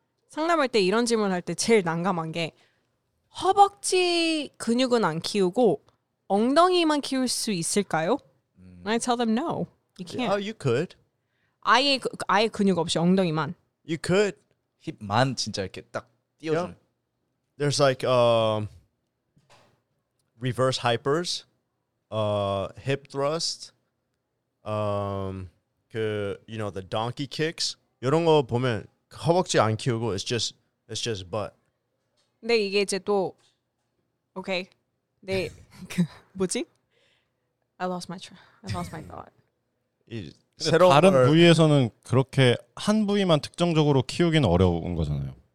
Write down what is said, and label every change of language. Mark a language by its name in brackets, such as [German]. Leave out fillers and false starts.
[Korean] 상담할 때 이런 질문 할 때 제일 난감한 게 허벅지 근육은 안 키우고 엉덩이만 키울 수 있을까요? [English] I tell them no. You can't. Yeah, you could. [Korean] 아예 근육 없이 엉덩이만. [English] You could. [Korean] 힙만 진짜 이렇게 딱 띄워줘. Yeah. [English] There's like reverse hypers, hip thrust, you know the donkey kicks. [Korean] 이런 거 보면 허벅지 안 키우고 [English] it's just butt. [Korean] 근데 이게 이제 또 오케이. 네. 뭐지? [English] I lost my thought. [Korean] 다른 부위에서는 그렇게 한 부위만 특정적으로 키우기는 어려운 거잖아요.